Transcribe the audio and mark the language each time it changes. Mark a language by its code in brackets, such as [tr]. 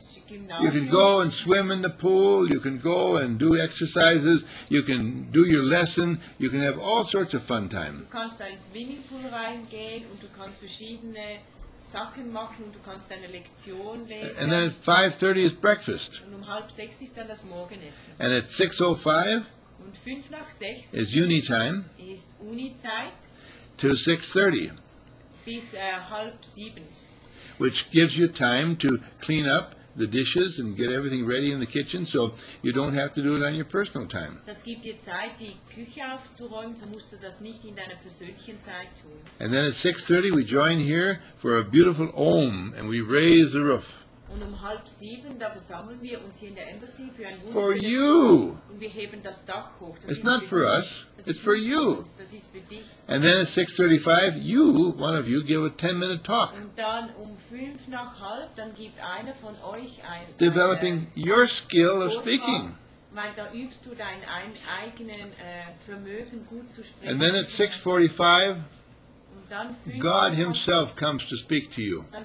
[en] You can go and swim in the pool, you can go and do exercises, you can do your lesson, you can have all sorts of fun time. [de] Du kannst da ins Swimmingpool reingehen und du kannst verschiedene Sachen machen und du kannst deine Lektion lesen. [en] And then at 5:30 is breakfast. [de] Und 5:30 ist dann das Morgenessen. [en] And at 6:05 [de] und 5:06 [en] is uni time. [de] Ist Uni-Zeit. [en] Till 6:30. [de] Bis 6:30. [en] Which gives you time to clean up the dishes and get everything ready in the kitchen so you don't have to do it on your personal time. [de] Das gibt dir Zeit, die Küche aufzuräumen, so musst du das nicht in deiner persönlichen Zeit tun. [en] And then at 6:30 we join here for a beautiful Om and we raise the roof. [de] Und 6:30 da versammeln wir uns hier in der Embassy für ein wunderschönes [en] For you. [de] Und wir heben das Dach hoch. [en] It's not for us, it's for you. [de] Das ist für dich. [en] And then at 6:35 you, one of you, give a 10-minute talk. [de] Und dann 5:30 dann gibt einer von euch ein [en] Developing your skill of speaking. [de] Weil da übst du dein eigenen Vermögen gut zu sprechen. [en] And then at 6:45 God himself comes to speak to you.